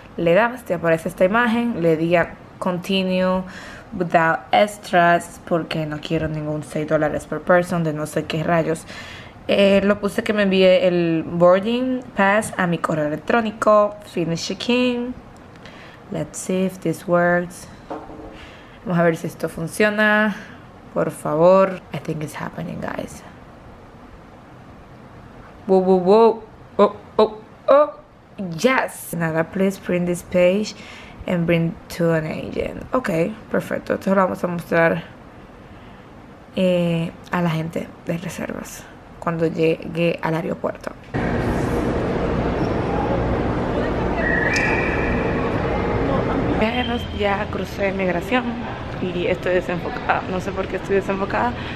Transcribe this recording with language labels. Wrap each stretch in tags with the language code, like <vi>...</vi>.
<es>Le das, te aparece esta imagen. Le di a</es> <en>continue without extras</en> <es>porque no quiero ningún</es> <en>$6 per person</en> <es>de no sé qué rayos. Lo puse que me envíe el boarding pass a mi correo electrónico.</es> <en>Finish check-in. Let's see if this works.</en> <es>Vamos a ver si esto funciona. Por favor.</es> <en>I think it's happening, guys. Whoa, whoa, whoa. Oh, oh, oh. Yes. Nada, please print this page and bring to an agent.</en> <es>Ok, perfecto. Esto lo vamos a mostrar a la gente de reservas cuando llegue al aeropuerto. Ya crucé migración y estoy desenfocada. No sé por qué estoy desenfocada,</es>